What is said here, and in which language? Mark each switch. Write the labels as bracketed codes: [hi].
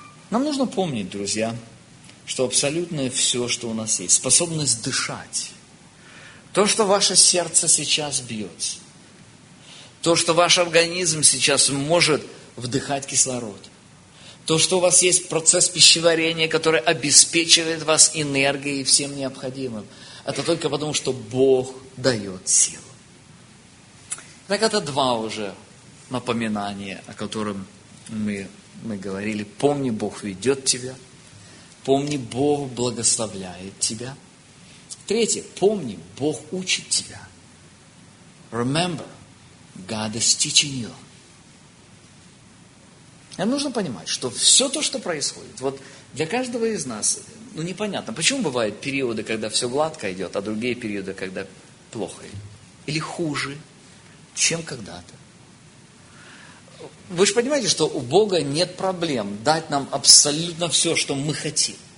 [ru] Нам нужно помнить, друзья, что абсолютно все, что у нас есть, способность дышать, то, что ваше сердце сейчас бьется, то, что ваш организм сейчас может вдыхать кислород, то, что у вас есть процесс пищеварения, который обеспечивает вас энергией и всем необходимым, это только потому, что Бог дает силу. Так это два уже напоминания, о котором мы говорили. Помни, Бог ведет тебя. Помни, Бог благословляет тебя. Третье. Помни, Бог учит тебя. [en] Remember, God is teaching you. [ru] Нам нужно понимать, что все то, что происходит, вот для каждого из нас, ну непонятно, почему бывают периоды, когда все гладко идет, а другие периоды, когда плохо идет или хуже, чем когда-то. Вы же понимаете, что у Бога нет проблем дать нам абсолютно все, что мы хотим.